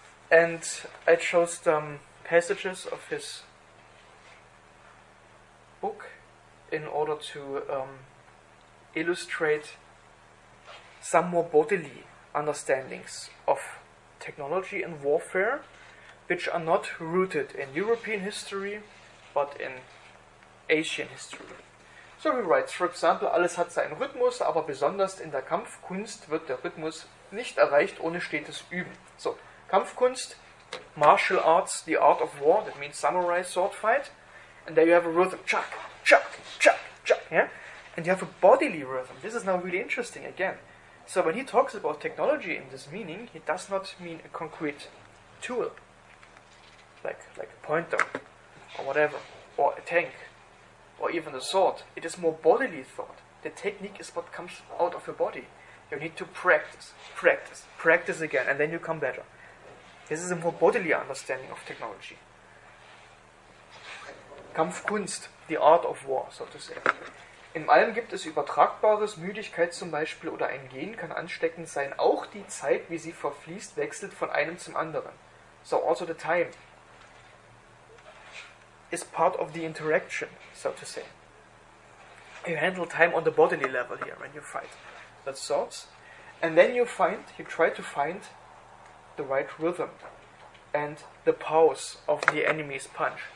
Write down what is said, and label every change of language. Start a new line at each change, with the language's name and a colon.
English: And I chose some passages of his book in order to illustrate some more bodily understandings of technology and warfare, which are not rooted in European history, but in Asian history. So he writes, for example,
German: alles hat seinen Rhythmus, aber besonders in der Kampfkunst wird der Rhythmus nicht erreicht ohne stetes Üben.
English: So, Kampfkunst, martial arts, the art of war, that means samurai sword fight, and there you have a rhythm, chak, chak, chak, chak, yeah? And you have a bodily rhythm. This is now really interesting again. So when he talks about technology in this meaning, he does not mean a concrete tool, like a pointer, or whatever, or a tank. Or even a sword. It is more bodily thought. The technique is what comes out of your body. You need to practice again, and then you come better. This is a more bodily understanding of technology. Kampfkunst, the art of war, so to say.
German: In allem gibt es Übertragbares, Müdigkeit zum Beispiel oder ein Gen kann ansteckend sein. Auch die Zeit, wie sie verfließt, wechselt von einem zum anderen.
English: So also the time is part of the interaction, so to say. You handle time on the bodily level here when you fight. That's swords. And then you try to find the right rhythm and the pause of the enemy's punch.